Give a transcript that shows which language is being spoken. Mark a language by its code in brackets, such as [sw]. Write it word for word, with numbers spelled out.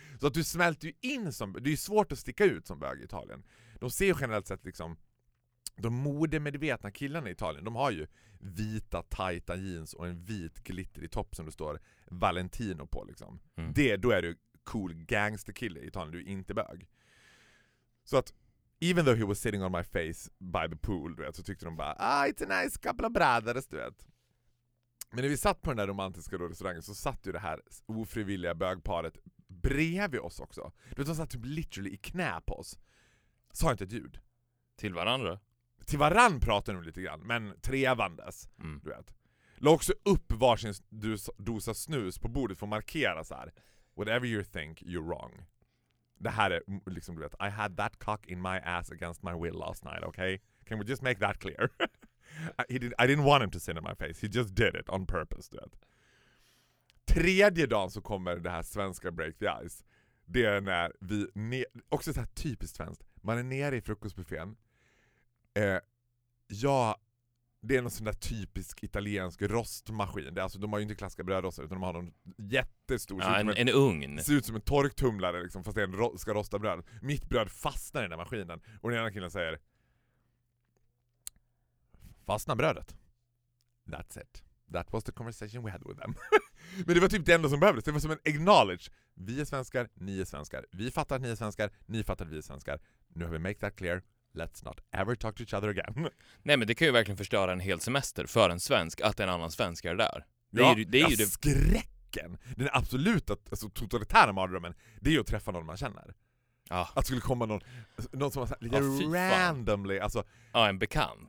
[sv] Så att du smälter ju in som... Det är ju svårt att sticka ut som bög i Italien. De ser ju generellt sett liksom... De modemedvetna killarna i Italien, de har ju vita, tajta jeans och en vit glittrig topp som det står Valentino på, liksom. Mm. Det, då är du cool gangsterkille i Italien, du är inte bög. Så att, [en] even though he was sitting on my face by the pool, [sv] du vet, så tyckte de bara, [en] ah, it's a nice couple of brothers, [sv] du vet. Men när vi satt på den där romantiska restaurangen så satt ju det här ofrivilliga bögparet bredvid oss också. De satt typ literally i knä på oss. Sa inte ett ljud. Till varandra? Till varann pratade de lite grann, men trevandes. Mm. Du vet. La också upp varsin dosa snus på bordet för att markera så här. [en] Whatever you think, you're wrong. [sv] Det här är liksom, du vet, [en] I had that cock in my ass against my will last night, okay? Can we just make that clear? I, he did, I didn't want him to sit in my face. He just did it on purpose, [sv] du vet. Tredje dagen så kommer det här svenska [en] break the ice. [sv] Det är när vi... Ne- också så här typiskt svenskt. Man är nere i frukostbuffén. Eh, jag Det är någon sån där typisk italiensk rostmaskin. Det är alltså, de har ju inte klassiska brödrostar utan de har någon jättestor... Ja, en, en, en ugn. Ser ut som en torktumlare liksom, fast det ro- ska rosta bröd. Mitt bröd fastnar i den där maskinen. Och den ena killen säger... Fastnar brödet. [en] That's it. That was the conversation we had with them. [sv] Men det var typ det enda som behövdes. Det var som en acknowledge. Vi är svenskar, ni är svenskar. Vi fattar att ni är svenskar, ni fattar att vi är svenskar. Nu har vi [en] make that clear. Let's not ever talk to each other again. [sv] Nej, men det kan ju verkligen förstöra en hel semester för en svensk att en annan svensk är där. Det ja, är ju, det är ju det... skräcken. Den absoluta alltså, totalitära mardrömmen, det är ju att träffa någon man känner. Ja. Att skulle komma någon, någon som var lite ja, randomly. Alltså, ja, en bekant.